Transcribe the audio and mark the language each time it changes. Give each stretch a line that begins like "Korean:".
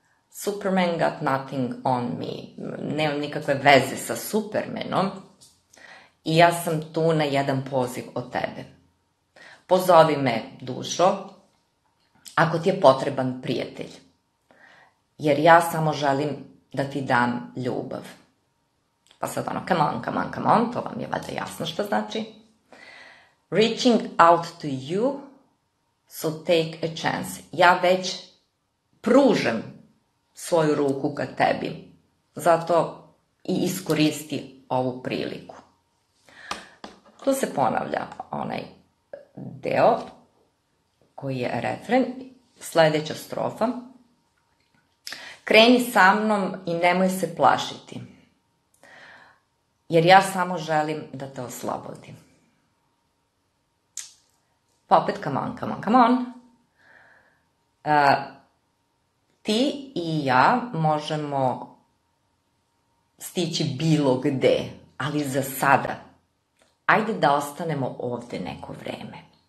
English: Superman got nothing on me.
Serbian: Nemam nikakve veze sa Supermanom. I ja sam tu na jedan poziv od tebe. Pozovi me, dušo, ako ti je potreban prijatelj. Jer ja samo želim da ti dam ljubav. Pa sad ono,
English: come on, come on, come on,
Serbian: to vam je valjda jasno što znači.
English: Reaching out to you, so take a chance.
Serbian: Ja već pružem svoju ruku ka tebi. Zato i iskoristi ovu priliku. Tu se ponavlja onaj deo koji je refren, sljedeća strofa. Kreni sa mnom i nemoj se plašiti, jer ja samo želim da te oslobodim. Pa opet,
English: come on, come on, come on.
Serbian: Ti i ja možemo stići bilo gde, ali za sada, ajde da ostanemo ovde neko vreme.